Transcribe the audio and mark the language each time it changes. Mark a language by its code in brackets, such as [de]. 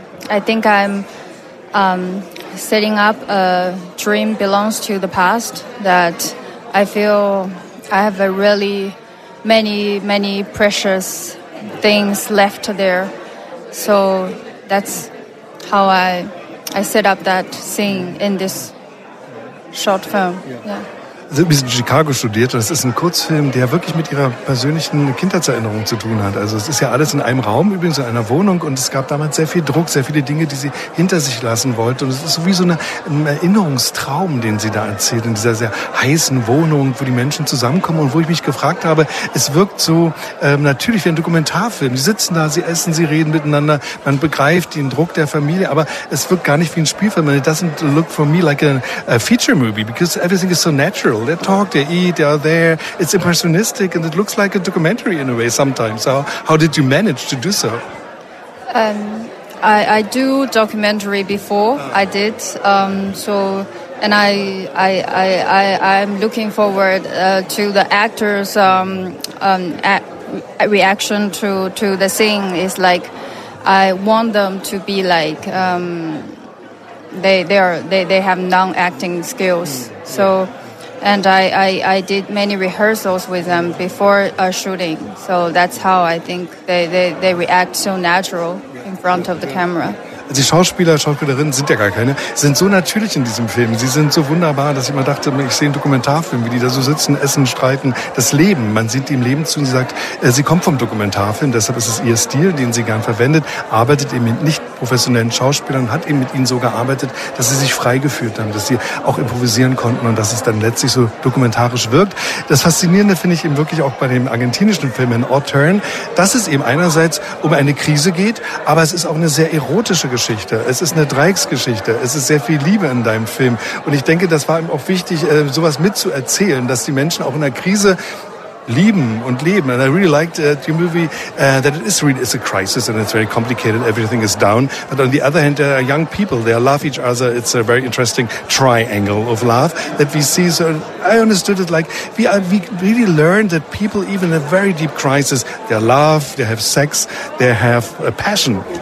[en] I think I'm setting up a dream belongs to the past that I feel I have a really many, many precious things left there. So that's how I set up that scene in this short film. Yeah. [de] Sie sind in Chicago studiert und das ist ein Kurzfilm, der wirklich mit ihrer persönlichen Kindheitserinnerung zu tun hat. Also es ist ja alles in einem Raum, übrigens in einer Wohnung und es gab damals sehr viel Druck, sehr viele Dinge, die sie hinter sich lassen wollte. Und es ist so wie so ein Erinnerungstraum, den sie da erzählt, in dieser sehr heißen Wohnung, wo die Menschen zusammenkommen und wo ich mich gefragt habe, es wirkt so natürlich wie ein Dokumentarfilm. Sie sitzen da, sie essen, sie reden miteinander, man begreift den Druck der Familie, aber es wirkt gar nicht wie ein Spielfilm. [en] It doesn't look for me like a feature movie because everything is so natural. real. They talk, they eat, they are there. It's impressionistic and it looks like a documentary in a way sometimes. So how did you manage to do so? I do documentary before. I did. I'm looking forward to the actors reaction to the scene. It's like I want them to be like they have non acting skills. So, and I did many rehearsals with them before shooting. So that's how I think they react so natural in front of the camera. [de] Die Schauspieler, Schauspielerinnen sind ja gar keine, sind so natürlich in diesem Film. Sie sind so wunderbar, dass ich immer dachte, ich sehe einen Dokumentarfilm, wie die da so sitzen, essen, streiten. Das Leben, man sieht die im Leben zu und sie sagt, sie kommt vom Dokumentarfilm, deshalb ist es ihr Stil, den sie gern verwendet, arbeitet eben mit nicht professionellen Schauspielern, hat eben mit ihnen so gearbeitet, dass sie sich frei gefühlt haben, dass sie auch improvisieren konnten und dass es dann letztlich so dokumentarisch wirkt. Das Faszinierende finde ich eben wirklich auch bei dem argentinischen Film in Odd Turn, dass es eben einerseits um eine Krise geht, aber es ist auch eine sehr erotische Geschichte. Es ist eine Dreiecksgeschichte. Es ist sehr viel Liebe in deinem Film. Und ich denke, das war ihm auch wichtig, sowas mitzuerzählen, dass die Menschen auch in der Krise lieben und leben. [en] And I really liked the movie that it's a crisis and it's very complicated. Everything is down. But on the other hand, there are young people. They love each other. It's a very interesting triangle of love that we see. So I understood it like we really learned that people, even in a very deep crisis, they love, they have sex, they have a passion.